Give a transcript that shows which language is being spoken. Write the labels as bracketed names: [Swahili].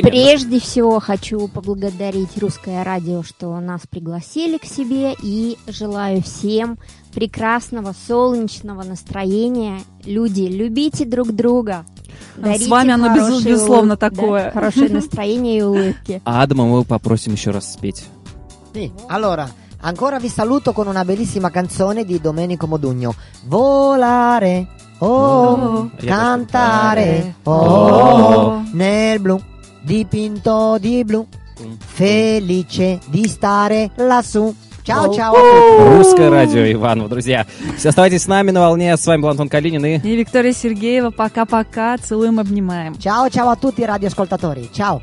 [Russian] Прежде всего хочу поблагодарить Русское радио, что нас пригласили к себе, и желаю всем прекрасного солнечного настроения. Люди, любите друг друга. С вами оно безусловно такое. Да, хорошее настроение и улыбки. Адама мы попросим еще раз спеть. [Italian] Sí. Allora, ancora vi saluto con una bellissima canzone di Domenico Modugno. Volare. Oh, cantare, oh, nel blu, dipinto di blu, felice di stare lassù. Ciao, ciao. [Russian] Русское радио Иваново, друзья. Все, оставайтесь с нами на волне. С вами был Антон Калинин и Виктория Сергеева. Пока-пока, целуем, обнимаем. [Italian] Ciao, ciao a tutti, радиоскольтатори. Ciao.